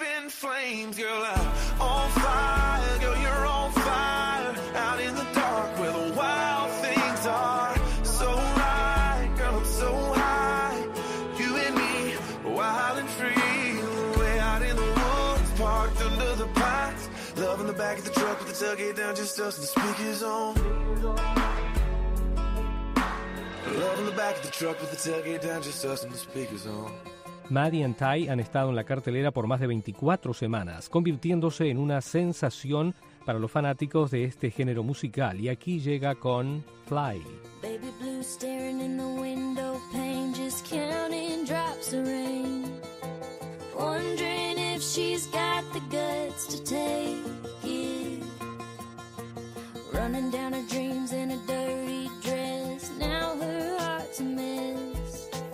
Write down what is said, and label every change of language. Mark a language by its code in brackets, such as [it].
[en] Flames, girl, I'm on fire, girl, you're on fire, out in the dark where the wild things are, so right, girl, I'm so high, you and me, wild and free, way out in the woods, parked under the pines, love in the back of the truck with the tailgate down, just us and the speakers on, love in the back of the truck with the tailgate down, just us and the speakers on. [es] Maddie and Ty han estado en la cartelera por más de 24 semanas, convirtiéndose en una sensación para los fanáticos de este género musical. Y aquí llega con Fly. [en] Baby blue staring in the window pane, just counting drops of rain. Wondering if she's got the guts to take it. Running down her dreams in a dirty dress, now her heart's a mess.